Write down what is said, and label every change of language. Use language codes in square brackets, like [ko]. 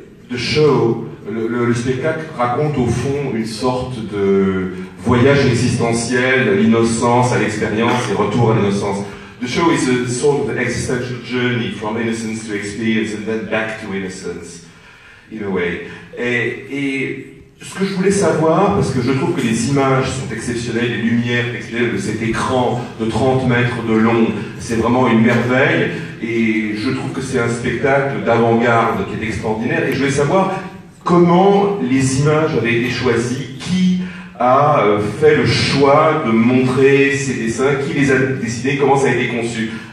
[fr] Le spectacle raconte au fond une sorte de voyage existentiel, l'innocence à l'expérience et retour à l'innocence. [en] The show is a sort of existential journey from innocence to experience and then back to innocence, in a way. [fr] Et ce que je voulais savoir, parce que je trouve que les images sont exceptionnelles, les lumières exceptionnelles de cet écran de 30 mètres de long, c'est vraiment une merveille. Et je trouve que c'est un spectacle d'avant-garde qui est extraordinaire. Et je voulais savoir comment les images avaient été choisies, qui a fait le choix de montrer ces dessins, qui les a dessinés, comment ça a été conçu.